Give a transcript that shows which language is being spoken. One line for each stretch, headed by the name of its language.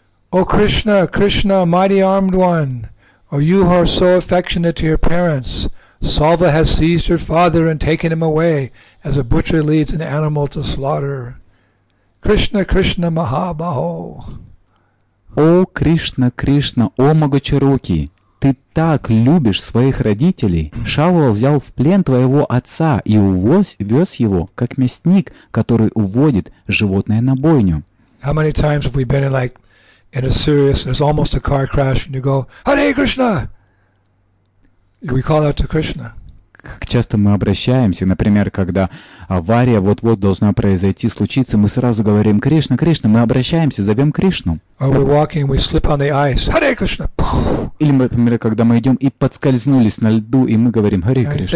English: О Кришна, Кришна, mighty armed one, or you who are so affectionate to your parents, Salva has seized your father and taken him away as a butcher leads an animal to slaughter.
Sanskrit: Кришна, Кришна, Махабахо.
Russian: О, Кришна, Кришна, о, Могочаруки, ты так любишь своих родителей. Шалва взял в плен твоего отца и увез его, как мясник, который уводит животное на бойню.
English: How many times have we been in a serious, there's almost a car crash, and you go, Hare Krishna! We call out to Krishna.
Russian: Как часто мы обращаемся, например, когда авария вот-вот должна произойти, случиться, мы сразу говорим «Кришна, Кришна», мы обращаемся, зовем Кришну. Или, например, когда мы идем и подскользнулись на льду, и мы говорим «Харе